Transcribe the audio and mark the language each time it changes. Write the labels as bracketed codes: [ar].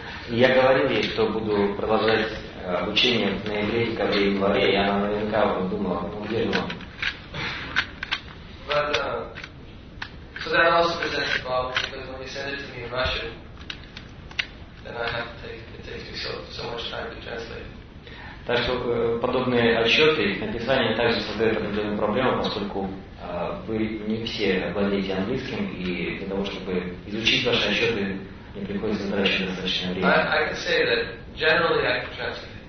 [ru] Я говорил ей, что буду продолжать обучение в ноябре, декабре и январе, и она наверняка думала, ну где же он? [en] But so that also presents a problem, because when you send it to me in Russian, then I have to take it takes me so much time to translate. [ru] Так что подобные отчеты, написание также создает определенную проблему, поскольку вы не все владеете английским, и для того, чтобы изучить ваши отчеты, мне приходится затрачивать достаточно времени. [en] I can say that generally I can translate.